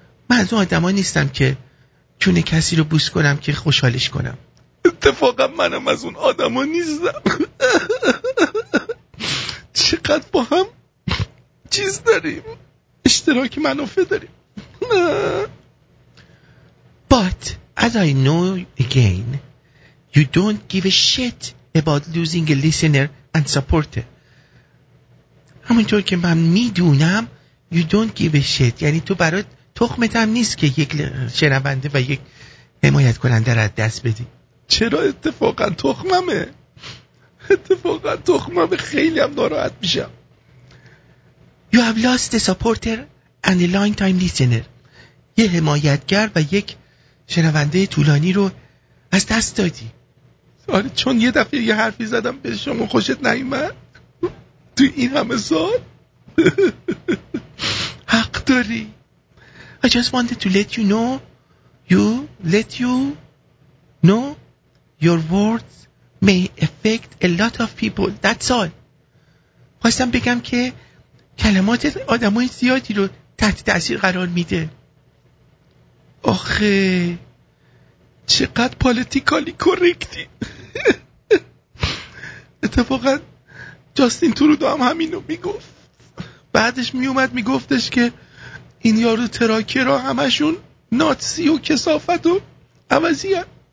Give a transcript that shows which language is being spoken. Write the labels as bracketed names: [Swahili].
[Persian] من از اون آدم ها نیستم که چون کسی رو بوس کنم که خوشحالش کنم. اتفاقا منم از اون آدم ها نیستم. چقدر با هم چیز داریم، اشتراک منافع داریم. [English] But as I know again, you don't give a shit about losing a listener and supporter. [Persian] همونطور که من میدونم [English] you don't give a shit، [Persian] یعنی تو برات تخمت هم نیست که یک شنونده و یک حمایت کننده را دست بدی. چرا اتفاقا تخممه؟ اتفاقا تخممه، خیلی هم ناراحت میشم. [English] You have lost a supporter and a long time listener. [Persian] یه حمایتگر و یک شنونده طولانی رو از دست دادی. آره چون یه دفعه یه حرفی زدم به شما خوشت نیومد تو این همه سال. حق داری. [English] I just wanted to let you know your words may affect a lot of people. That's all. [Persian] خواستم بگم که کلمات آدمای زیادی رو تحت تأثیر قرار میده. آخه چقدر پالیتیکالی کوریکتی. اتفاقا جاستین ترودو هم همینو میگفت، بعدش میومد میگفتش که این یارو تراکی را همشون ناتسی و کسافت و عوضی هم.